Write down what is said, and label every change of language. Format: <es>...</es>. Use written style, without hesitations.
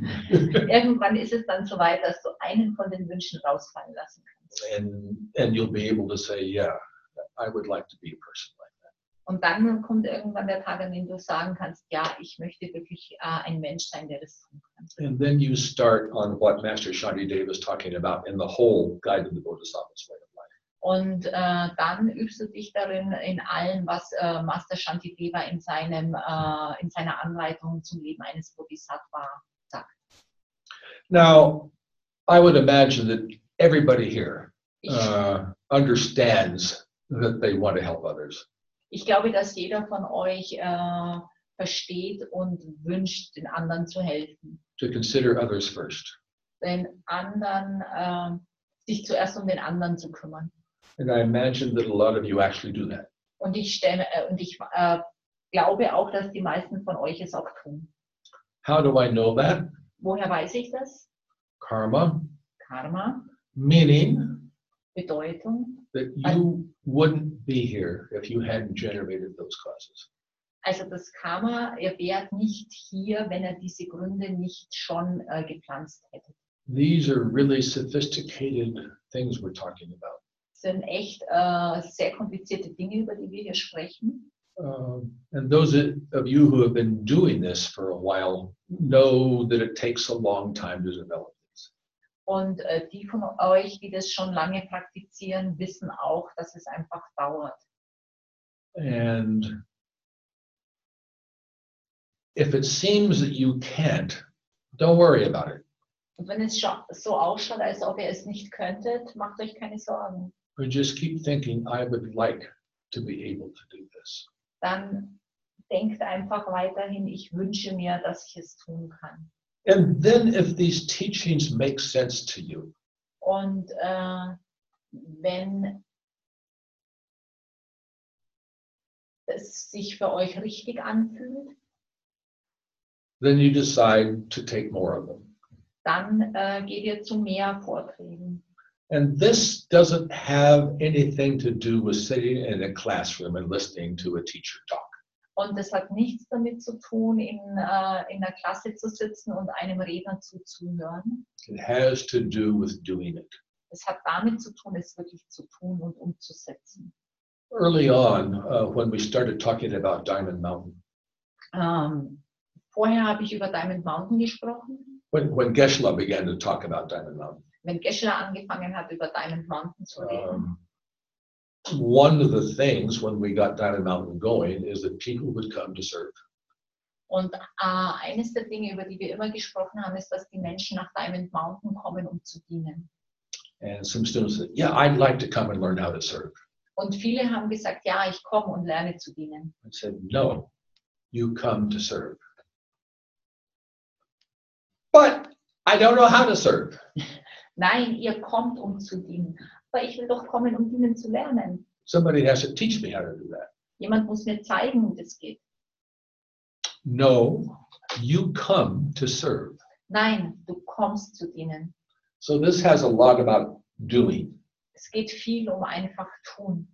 <de>Irgendwann ist es dann so weit, dass du einen von den Wünschen rausfallen lassen kannst.</de> <en>And you'll be able to say, yeah, I would like to be a person like that.</en> <de>Und dann kommt irgendwann der Tag, an dem du sagen kannst, ja, ich möchte wirklich ein Mensch sein, der das tun kann.</de> <en>And then you start on what Master Shantideva was talking about in the whole Guide to the Bodhisattva's Way of Life.</en> <de>Und dann übst du dich darin in allem, was Master Shantideva in seinem in seiner Anleitung zum Leben eines Bodhisattva sagt.</de> <en>Now, I would imagine that everybody here understands that they want to help others.</en> <de>Ich glaube, dass jeder von euch versteht und wünscht, den anderen zu helfen.</de> <en>To consider others first.</en> <de>Den anderen, sich zuerst um den anderen zu kümmern.</de> <en>And I imagine that a lot of you actually do that.</en> <de>Und ich stelle, glaube auch, dass die meisten von euch es auch tun.</de> <en>How do I know that?</en> <de>Woher weiß ich das?</de> <en>Karma.</en> <de>Karma.</de> <en>Meaning.</en> <de>Bedeutung.</de> <en>That you wouldn't be here if you hadn't generated those causes.</en> <de>Also das Karma, ihr wärt nicht hier, wenn ihr diese Gründe nicht schon gepflanzt hättet.</de> <en>These are really sophisticated things we're talking about.</en> <de>Sind echt sehr komplizierte Dinge, über die wir hier sprechen.</de> <en>And those of you who have been doing this for a while know that it takes a long time to develop.</en> <de>Und die von euch, die das schon lange praktizieren, wissen auch, dass es einfach dauert.</de> <en>And if it seems that you can't, don't worry about it.</en> <de>Und wenn es so ausschaut, als ob ihr es nicht könntet, macht euch keine Sorgen.</de> <en>But just keep thinking, I would like to be able to do this.</en> <de>Dann denkt einfach weiterhin, ich wünsche mir, dass ich es tun kann.</de> <en>And then if these teachings make sense to you.</en> <de>Und wenn es sich für euch richtig anfühlt,</de> <en>then you decide to take more of them.</en> <de>Dann geht ihr zu mehr Vorträgen.</de> <en>And this doesn't have anything to do with sitting in a classroom and listening to a teacher talk.</en> <de>Und es hat nichts damit zu tun, in der Klasse zu sitzen und einem Redner zuzuhören.</de> <en>It has to do with doing it.</en> <de>Es hat damit zu tun, es wirklich zu tun und umzusetzen.</de> <en>Early on, when we started talking about Diamond Mountain.</en> <de>Vorher habe ich über Diamond Mountain gesprochen.</de> <en>When Geshe-la began to talk about Diamond Mountain.</en> <de>Wenn Geshe-la angefangen hat, über Diamond Mountain zu reden.</de> <en>One of the things when we got Diamond Mountain going is that people would come to serve.</en> <de>Und eines der Dinge, über die wir immer gesprochen haben, ist, dass die Menschen nach Diamond Mountain kommen, um zu dienen.</de> <en>And some students said, yeah, I'd like to come and learn how to serve.</en> <de>Und viele haben gesagt, ja, ich komme und lerne zu dienen.</de> <en>I said, no, you come to serve. But I don't know how to serve.</en> <de>Nein, ihr kommt, um zu dienen. Aber ich will doch kommen, um dienen zu lernen.</de> <en>Somebody has to teach me how to do that.</en> <de>Jemand muss mir zeigen, wie das geht.</de> <en>No, you come to serve.</en> <de>Nein, du kommst zu dienen.</de> <en>So this has a lot about doing.</en> <de>Es geht viel um einfach tun.</de>